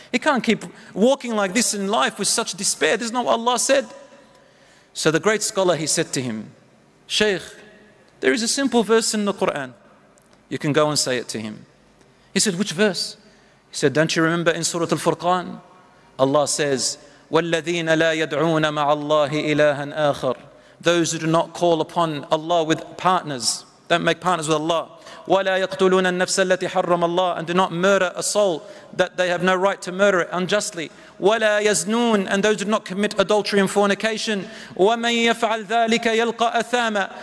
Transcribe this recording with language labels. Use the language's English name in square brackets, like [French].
[English] He can't keep walking like this in life with such despair. This is not what Allah said. So the great scholar, he said to him, Shaykh, there is a simple verse in the Quran. You can go and say it to him. He said, which verse? He said, don't you remember in Surah Al-Furqan? Allah says, [Arabic] وَالَّذِينَ لَا يَدْعُونَ مَعَ اللَّهِ إِلَٰهًا آخَرٍ. [English] Those who do not call upon Allah with partners, don't make partners with Allah. [Arabic] وَلَا يَقْتُلُونَ النَّفْسَ الَّتِي حَرَّمَ اللَّهِ. [English] And do not murder a soul that they have no right to murder it unjustly. [Arabic] وَلَا يَزْنُونَ. [English] And those who do not commit adultery and fornication. [Arabic] وَمَنْ يَفْعَلْ ذَلِكَ يَلْقَ أَثَامًا.